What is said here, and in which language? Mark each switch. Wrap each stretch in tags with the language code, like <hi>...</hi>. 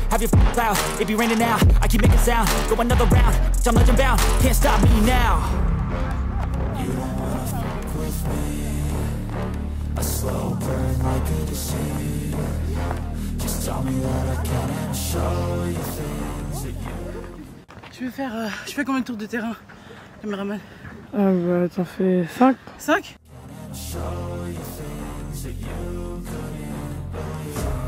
<en>Have your f***ing clout, it be raining now. I keep making sound, go another round. Bitch, I'm legend bound, can't stop me now. A slow burn like a disease. Just tell me that I can't show you things that you...</en> <fr>je fais combien de tours de terrain, caméraman? T'en fais 5. 5?</fr> <en>Can't show you things that you couldn't believe.</en>